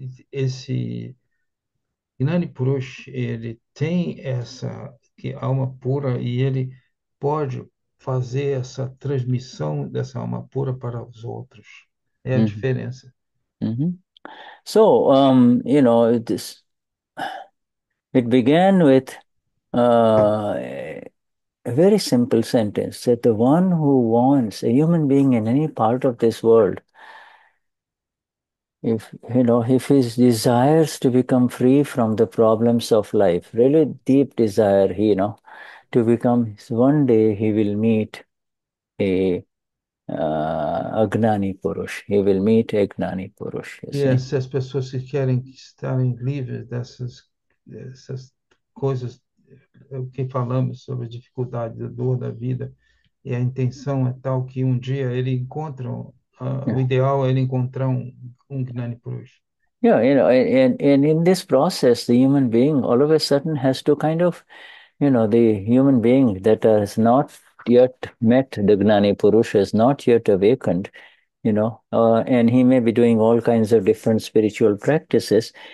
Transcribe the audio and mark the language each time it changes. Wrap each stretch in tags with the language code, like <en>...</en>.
<pt>Esse Gnani Purush, ele tem essa que alma pura, e ele pode fazer essa transmissão dessa alma pura para os outros. É a diferença.</pt> <en>It began with a very simple sentence that the one who wants a human being in any part of this world, if his desires to become free from the problems of life, really deep desire, to become, one day he will meet a Gnani Purush. He will meet a Gnani Purush, you see.</en> <pt>Se as pessoas que querem estarem livres dessas coisas, o que falamos sobre a dificuldade, a dor da vida, e a intenção é tal que um dia ele encontra, o ideal é ele encontrar um Gnani Purush.</pt> <en>And in this process, the human being all of a sudden has to kind of, the human being that has not yet met the Gnani Purusha has not yet awakened, and he may be doing all kinds of different spiritual practices.</en>